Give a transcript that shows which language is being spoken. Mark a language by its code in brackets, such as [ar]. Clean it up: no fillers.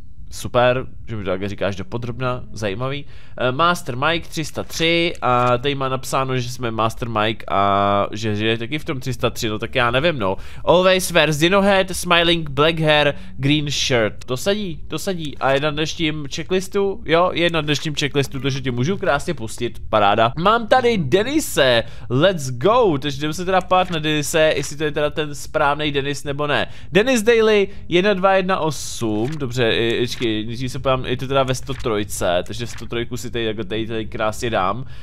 [cs] Super, že mi to také říkáš dopodrobna, zajímavý. Master Mike 303 a tady má napsáno, že jsme Master Mike a že je taky v tom 303, no tak já nevím, no. [en] Always wears dino head, smiling black hair, green shirt. [cs] To sedí a je na dnešním checklistu, jo, je na dnešním checklistu, takže ti můžu krásně pustit, paráda. Mám tady Denise, [en] let's go, [cs] takže jdeme se teda pát na Denise, jestli to je teda ten správný Denis nebo ne. Denis Daily 1218, dobře, nejdřív se pojám, je to teda ve 103, takže 103 si tady, jako tady krásně dám.